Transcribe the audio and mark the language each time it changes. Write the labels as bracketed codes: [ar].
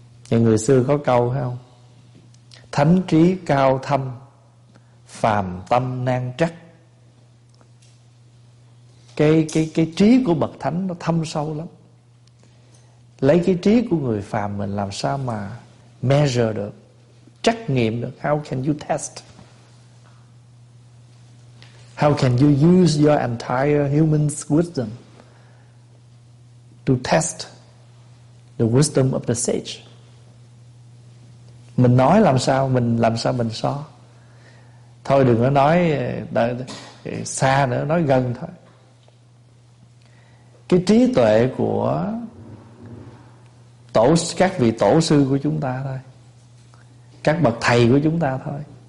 [vi] Nhưng người xưa có câu phải không? Thánh trí cao thâm, phàm tâm nan trắc. Cái trí của bậc thánh nó thâm sâu lắm. Lấy cái trí của người phàm mình làm sao mà measure được, trắc nghiệm được. [en] How can you test? How can you use your entire human wisdom to test the wisdom of the sage? [vi] Mình nói làm sao, mình làm sao mình so? Thôi đừng có nói xa nữa, nói gần thôi. Cái trí tuệ của các vị tổ sư của chúng ta thôi, các bậc thầy của chúng ta thôi.